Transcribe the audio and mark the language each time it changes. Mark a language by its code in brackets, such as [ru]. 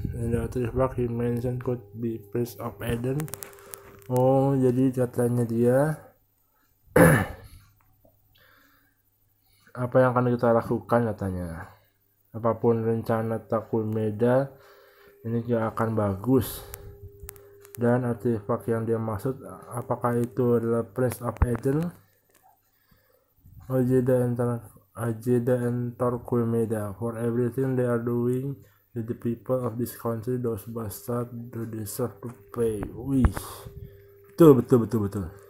[en] And the other fact he mentioned could be Prince of Eden. [id] Oh, jadi katanya dia, apa yang akan kita lakukan katanya? Apapun rencana Torquemada, ini tidak akan bagus. Dan artefak yang dia maksud, apakah itu adalah Prince of Eden? [en] Ojeda and Torquemada, for everything they are doing to the people of this country, those bastards do deserve to pay. [id] Wih, betul.